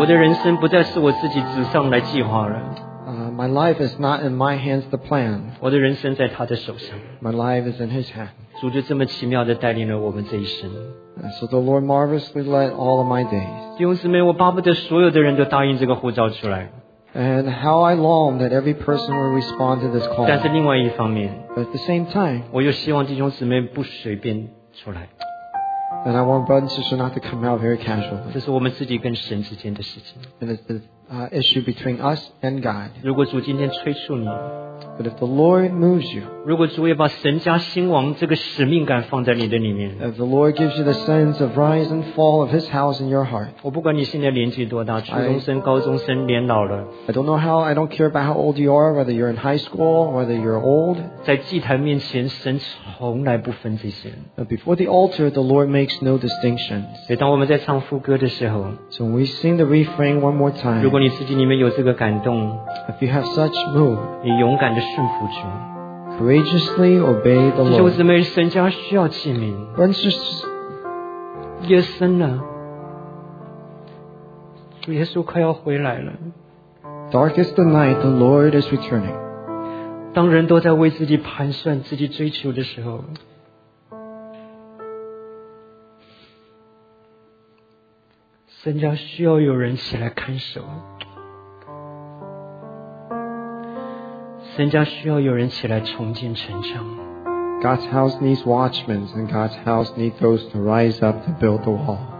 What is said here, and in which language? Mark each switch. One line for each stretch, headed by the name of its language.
Chinese: 我的人生不再是我自己纸上来计划了。
English: My life is not in my hands to plan.
Chinese: 我的人生在他的手上。
English: My life is in His hand.
Chinese: 主就这么奇妙地带领了我们这一生。
English: So the Lord marvelously led all of my days.
Chinese: 弟兄姊妹，我巴不得所有的人都答应这个呼召出来。
English: And how I long that every person will respond to this call.
Chinese: 但是另外一方面,
English: but at the same time,
Chinese: 我又希望弟兄姊妹不随便出来。
English: And I want brothers and sisters not to come out very casually.
Chinese: 这是我们自己跟神之间的事情。
English: And it's the issue between us and God.
Chinese: 如果主今天催促你,
English: but if the Lord moves you,
Chinese: 如果主也把神家兴亡这个使命感放在你的里面,
English: if the Lord gives you the sense of rise and fall of His house in your heart,
Chinese: 我不管你现在年纪多大, 初中生, 高中生, 年老了,
English: I don't know how, I don't care about how old you are, whether you're in high school, whether you're old,
Chinese: 在祭坛面前神从来不分这些,
English: but before the altar, the Lord makes no distinction.
Chinese: 所以当我们在唱副歌的时候,
English: so when we sing the refrain one more time,
Chinese: 如果你自己里面有这个感动,
English: if you have such move,
Chinese: 你勇敢的顺服主,
English: courageously obey the Lord.
Chinese: 弟兄姊妹, 神家需要器皿, 但是夜深了, 耶稣快要回来了,
English: dark is the night, the Lord is returning.
Chinese: 当人都在为自己盘算, 自己追求的时候, 神家需要有人起来看守。神家需要有人起来重建城墙。
English: God's house needs watchmen, and God's house needs those to rise up to build the wall.